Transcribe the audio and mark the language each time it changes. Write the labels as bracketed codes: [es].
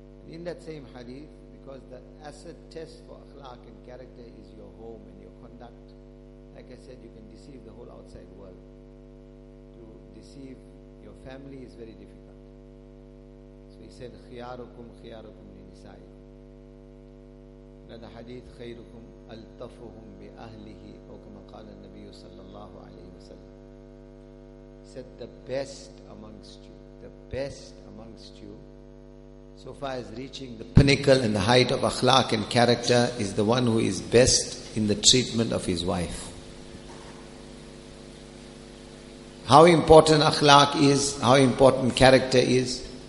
[en] In that same hadith, because the acid test for akhlaq and character is your home and your conduct, like I said, you can deceive the whole outside world. To deceive your family is very difficult. So he said, khiyarukum khiyarukum linisai. Another hadith, [ar] خيركم ألطفهم بأهله أو كما قال النبي صلى الله عليه وسلم. [en] Said the best amongst you, the best amongst you, so far as reaching the pinnacle and the height of akhlaq and character, is the one who is best in the treatment of his wife. How important akhlaq is, how important character is.